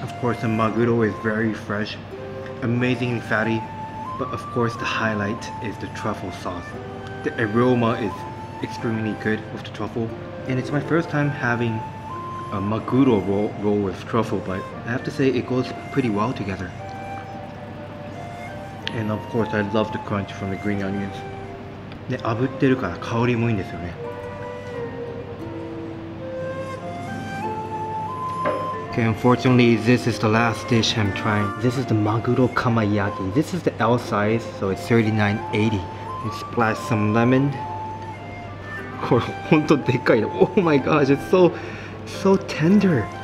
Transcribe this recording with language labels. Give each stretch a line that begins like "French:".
English: Of course the maguro is very fresh, amazingly fatty, but of course the highlight is the truffle sauce. The aroma is extremely good with the truffle, and it's my first time having a maguro roll with truffle, but I have to say it goes pretty well together. And of course I love the crunch from the green onions.
Japanese: で、炙ってるから香りもいいんですよね。
English: Okay, unfortunately, this is the last dish I'm trying. This is the maguro kamayaki. This is the L size, so it's 39.80. Let's splash some lemon.
Japanese: これ本当でっかいの。
English: Oh my gosh, it's so, so tender.